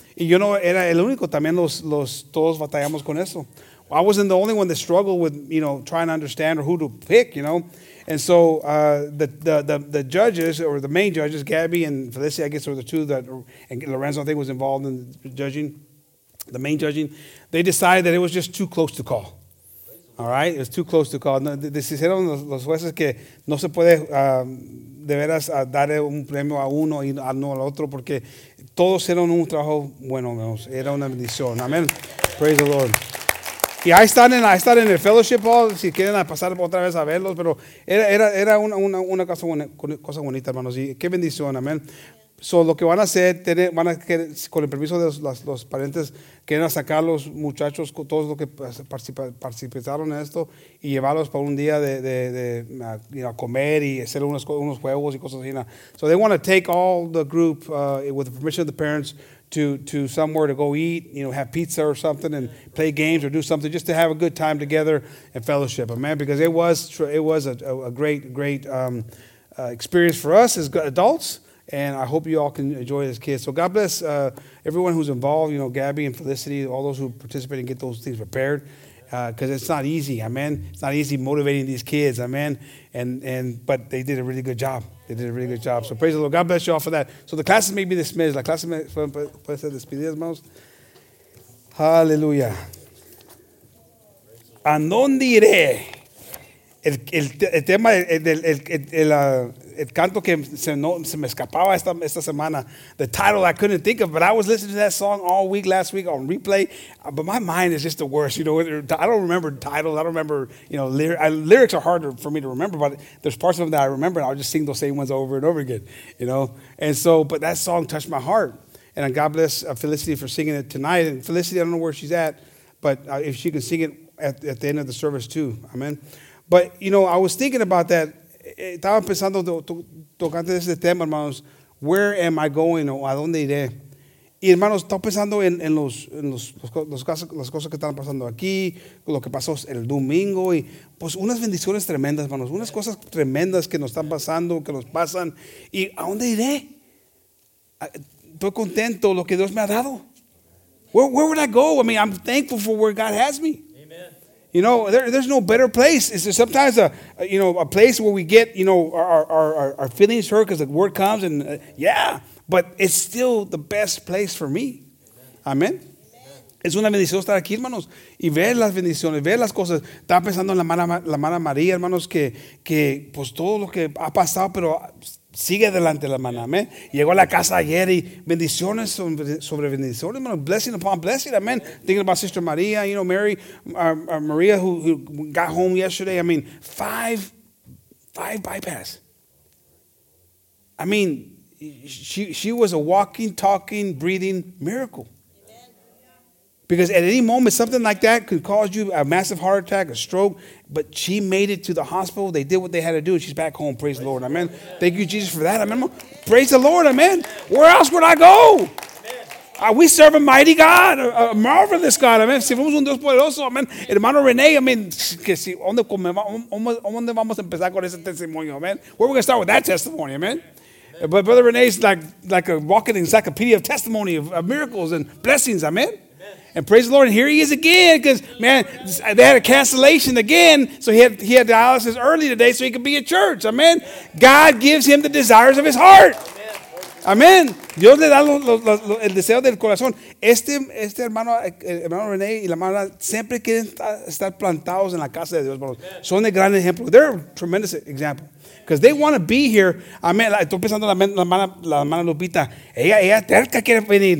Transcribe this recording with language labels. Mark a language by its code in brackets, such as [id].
[es] Y yo no era el único, también todos batallamos con eso. [en] I wasn't the only one that struggled with, you know, trying to understand or who to pick, you know. And so the judges, or the main judges, Gabby and Felicia, I guess, were the two that, and Lorenzo, I think, was involved in the main judging, they decided that it was just too close to call. All right? It was too close to call. [es] Decidieron los jueces que no se puede de veras dar un premio a uno y no al otro, porque todos eran un trabajo bueno, menos. Era una bendición. Amen. [en] Praise the Lord. [es] Y ahí están en el fellowship hall, si quieren pasar otra vez a verlos, pero era una cosa bonita, hermanos, y qué bendición, amén. So, lo que van a hacer, van a con el permiso de los parientes, quieren sacar los muchachos, todos los que participaron en esto, y llevarlos para un día de comer y hacer unos juegos y cosas así. [en] So, they want to take all the group, with the permission of the parents, to somewhere to go eat, you know, have pizza or something, and play games or do something, just to have a good time together and fellowship, amen. Because it was a great experience for us as adults, and I hope you all can enjoy it as kids. So God bless everyone who's involved, you know, Gabby and Felicity, all those who participate and get those things prepared, because it's not easy, amen. It's not easy motivating these kids, amen. But they did a really good job. They did a really good job. So praise the Lord. God bless you all for that. So the classes may be dismissed. [es] La clase puede ser despedida, hermanos. Hallelujah. ¿A dónde iré? El tema el canto que se me escapaba esta semana. [en] The title I couldn't think of, but I was listening to that song all week last week on replay. But my mind is just the worst, you know. I don't remember titles. I don't remember, you know, lyrics are harder for me to remember, but there's parts of them that I remember, and I'll just sing those same ones over and over again, you know. And so, but that song touched my heart. And God bless Felicity for singing it tonight. And Felicity, I don't know where she's at, but if she can sing it at the end of the service too, amen. But, you know, I was thinking about that. [es] Estaba pensando, tocando ese tema, hermanos. [en] Where am I going? [es] O a dónde iré? Y, hermanos, estaba pensando en las cosas que están pasando aquí, lo que pasó el domingo. Y, pues, unas bendiciones tremendas, hermanos. Unas cosas tremendas que nos están pasando, que nos pasan. ¿Y a dónde iré? Estoy contento lo que Dios me ha dado. [en] Where would I go? I mean, I'm thankful for where God has me. You know, there's no better place. It's sometimes a place where we get, you know, our feelings hurt because the word comes and yeah, but it's still the best place for me. Amen. [es] Es una bendición estar aquí, hermanos, y ver las bendiciones, ver las cosas. Estaba pensando en la mana María, hermanos, que pues todo lo que ha pasado, pero sigue adelante la mana. Amen. Llegó a la casa ayer y bendiciones sobre bendiciones, hermanos. [en] Blessing upon blessing. Amen. Thinking about Sister Maria, you know, Mary, Maria who got home yesterday. I mean, five bypass. I mean, she was a walking, talking, breathing miracle. Because at any moment, something like that could cause you a massive heart attack, a stroke. But she made it to the hospital. They did what they had to do, and she's back home. Praise the Lord. Amen. Amen. Thank you, Jesus, for that. Amen. Amen. Praise the Lord. Amen. Where else would I go? We serve a mighty God, a marvelous God. Amen. [es] Si fuimos un Dios poderoso. Amen. Hermano René, [en] I mean, [es] que si, ¿dónde vamos a empezar con ese testimonio? [en] Amen. Where are we going to start with that testimony? Amen. Amen. But Brother René is like a walking encyclopedia of testimony, of miracles and blessings. Amen. And praise the Lord, and here he is again, because, man, they had a cancellation again, so he had dialysis early today so he could be at church. Amen. God gives him the desires of his heart. [es] Amen. Dios le da el deseo del corazón. Este hermano, hermano René y la hermana siempre quieren estar plantados en la casa de Dios. Son de gran ejemplo. [en] They're a tremendous example. Because they want to be here. Amen. [es] Estoy pensando en la hermana Lupita. Ella terca quiere venir.